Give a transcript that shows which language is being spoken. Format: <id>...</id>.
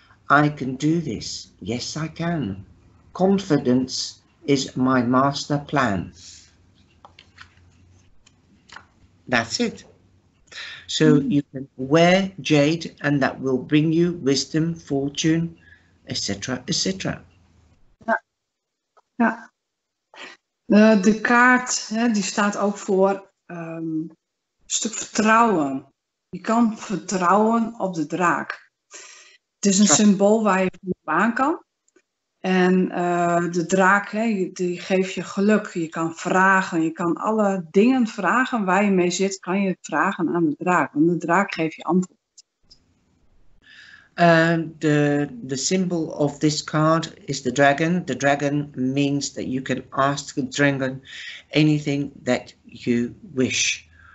<en>I can do this. Yes, I can. Confidence is my master plan. That's it. So you can wear jade and that will bring you wisdom, fortune, etc., etc.</en> <nl>Ja. Ja. De kaart, hè, die staat ook voor een stuk vertrouwen. Je kan vertrouwen op de draak. Het is een symbool waar je op aan kan. En de draak, hè, die geeft je geluk. Je kan vragen, je kan alle dingen vragen waar je mee zit, kan je vragen aan de draak. Want de draak geeft je antwoord.</nl> <en>The symbol of this card is the dragon. The dragon means that you can ask the dragon anything that you wish.</en>